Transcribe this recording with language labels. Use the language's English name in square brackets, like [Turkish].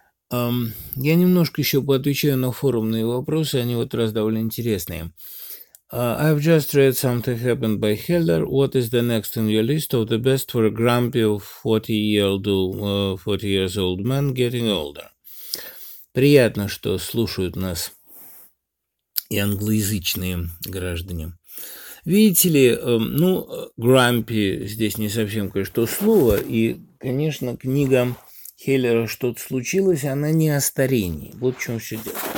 [Russian] Я немножко еще поотвечаю на форумные вопросы, они в этот раз довольно интересные. [English] I've just read Something Happened by Heller. What is the next in your list of the best for a grumpy 40 years old man getting older? [Russian] Приятно, что слушают нас и англоязычные граждане. Видите ли, ну, grumpy здесь не совсем кое-что слово, и, конечно, книга Хеллера «Что-то случилось», она не о старении. Вот в чем все дело.